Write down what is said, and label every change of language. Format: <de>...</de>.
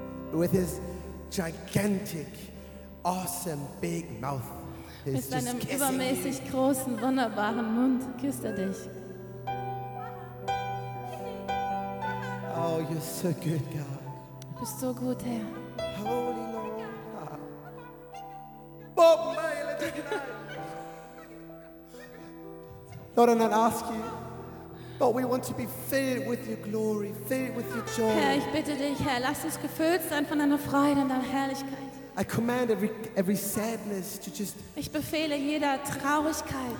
<en>With his gigantic, awesome, big mouth.</en> <de>Mit seinem übermäßig großen, wunderbaren Mund küsst er dich.</de> <en>Oh, you're so good, God.</en> <de>Du bist so gut, Herr.</de> <en>Holy Lord. Bob, my little God. Lord, I'm not asking you. But we want to be filled with your glory, filled with your joy.</en> <de>Herr, ich bitte dich, Herr, lass uns gefüllt sein von deiner Freude und deiner Herrlichkeit.</de> <en>I command every sadness to just.</en> <de>Ich befehle jeder Traurigkeit.</de>